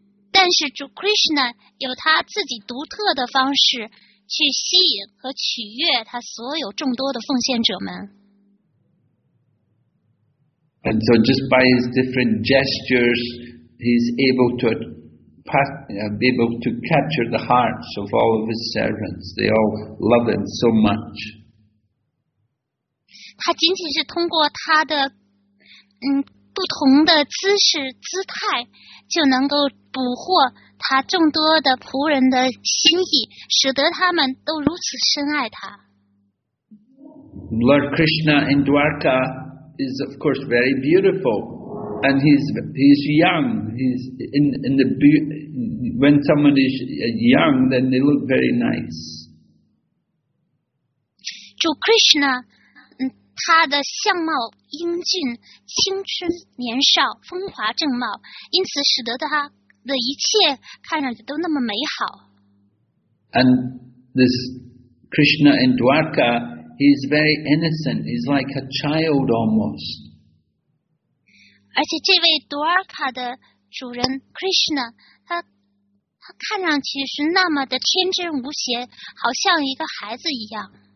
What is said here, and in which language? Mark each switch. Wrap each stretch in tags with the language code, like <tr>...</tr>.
<zh>但是主 Krishna 有他自己独特的方式去吸引和取悦他所有众多的奉献者们。</zh> <en>And so just by his different gestures, he's able to capture the hearts of all of his servants. They all love him so much.</en> <zh>他仅仅是通过他的不同的姿势姿态就能够捕获他众多的仆人的心意使得他们都如此深爱他。</zh> <en>Lord Krishna in Dwarka is of course very beautiful and he's young. He's in the when someone is young then they look very nice.</en> <zh>主 Krishna他的相貌英俊，青春年少，风华正茂，因此使得他的一切看上去都那么美好。</zh> <en>And this Krishna in Dwarka, he is very innocent. He's like a child almost.</en> <zh>而且这位 Dwarka 的主人 Krishna, 他看上去是那么的天真无邪，好像一个孩子一样。</zh>